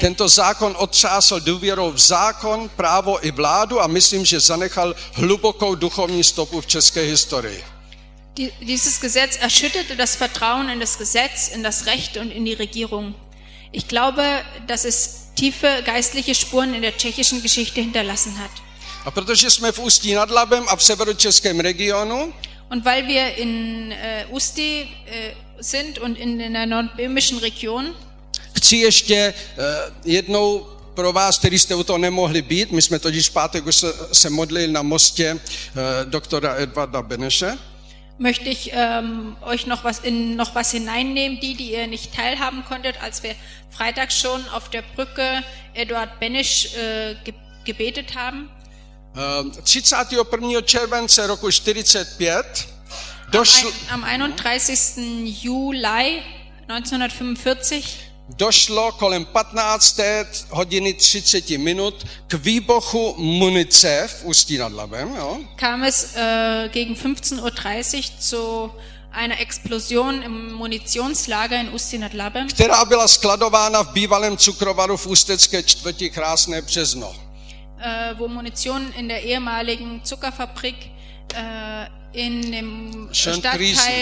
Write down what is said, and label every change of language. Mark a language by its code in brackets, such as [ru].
[cs] Tento zákon otřásl důvěrou v zákon, právo i vládu a myslím, že zanechal hlubokou duchovní stopu v české historii. [de] Dieses Gesetz erschütterte das Vertrauen in das Gesetz, in das Recht und in die Regierung. Ich glaube, dass es tiefe geistliche Spuren in der tschechischen Geschichte hinterlassen hat. [cs] A protože jsme v Ústí nad Labem a v severočeském regionu, [de] und weil wir in Ústí sind und in der nordböhmischen Region, [cs] chci ještě jednou pro vás, kteří jste u toho nemohli být, my jsme totiž v pátek už se modlili na mostě doktora Edvarda Beneše, [de] möchte ich euch noch was hineinnehmen, die ihr nicht teilhaben konntet, als wir Freitag schon auf der Brücke Eduard Beneš gebetet haben. [cs] 31. července roku 45 [de] am 31. Juli 1945 [cs] došlo kolem 15. hodiny 30 minut k výbuchu munice v Ústí nad Labem, jo? [de] Kam es gegen 15:30 zu einer Explosion im Munitionslager in Ústí nad Labem, [cs] která byla skladována v bývalém cukrovaru v Ústecké čtvrti Krásné Březno. [de] Wo Munition in der ehemaligen Zuckerfabrik in dem Stadtteil